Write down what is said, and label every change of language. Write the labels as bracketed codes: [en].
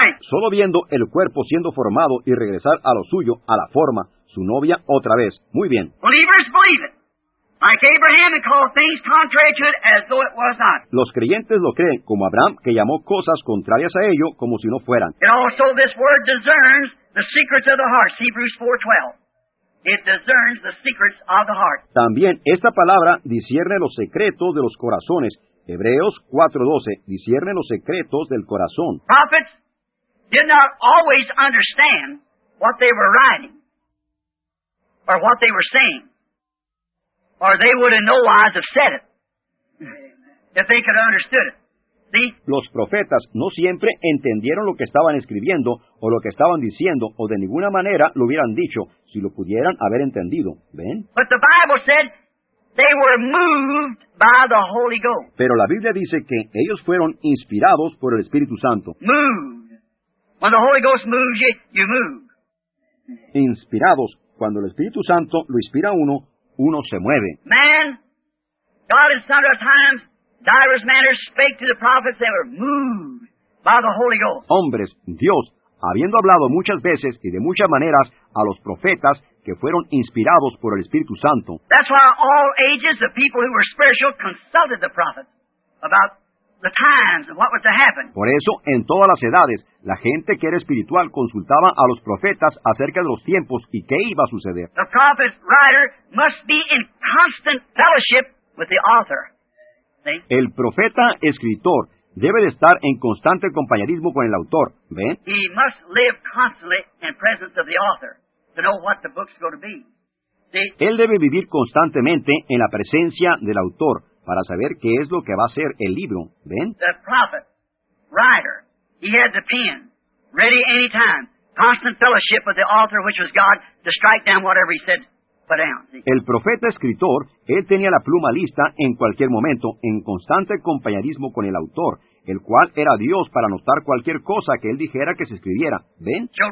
[es] Solo viendo el cuerpo siendo formado y regresar a lo suyo, a la forma, su novia otra vez. Muy bien. [en] Believers believe it. Like Abraham, and call things contrary to it as though it was not. [es] Los creyentes lo creen, como Abraham, que llamó cosas contrarias a ello como si no fueran. [en] And also this word discerns the secrets of the heart, Hebrews 4:12. It discerns the secrets of the heart. [es] También esta palabra discierne los secretos de los corazones, Hebreos 4:12, discierne los secretos del corazón. [en] Prophets did not always understand what they were writing or what they were saying. Or they would in no wise have said it, if they could have understood it. See? [es] Los profetas no siempre entendieron lo que estaban escribiendo, o lo que estaban diciendo, o de ninguna manera lo hubieran dicho, si lo pudieran haber entendido. ¿Ven? [en] But the Bible said they were moved by the Holy Ghost. [es] Pero la Biblia dice que ellos fueron inspirados por el Espíritu Santo. [en] Moved. When the Holy Ghost moves you, you move. [es] Inspirados. Cuando el Espíritu Santo lo inspira a uno, uno se mueve. [en] Man, God in sundry times, diverse manners spake to the prophets that were moved by the Holy Ghost. [es] Hombres, Dios, habiendo hablado muchas veces y de muchas maneras a los profetas que fueron inspirados por el Espíritu Santo. [en] That's why all ages of people who were spiritual consulted the prophets about the times and what was to happen. [es] Por eso, en todas las edades, la gente que era espiritual consultaba a los profetas acerca de los tiempos y qué iba a suceder. [en] The prophet writer must be in constant fellowship with the author. See? [es] El profeta escritor debe de estar en constante compañerismo con el autor. ¿Ven? [en] He must live constantly in presence of the author to know what the book's going to be. See? [es] Él debe vivir constantemente en la presencia del autor para saber qué es lo que va a ser el libro. ¿Ven? [en] The prophet, writer, he had the pen, ready any time, constant fellowship with the author, which was God, to strike down whatever he said, put down. [es] El profeta escritor, él tenía la pluma lista en cualquier momento, en constante compañerismo con el autor. el cual era Dios, para anotar cualquier cosa que él dijera que se escribiera. ¿Ven?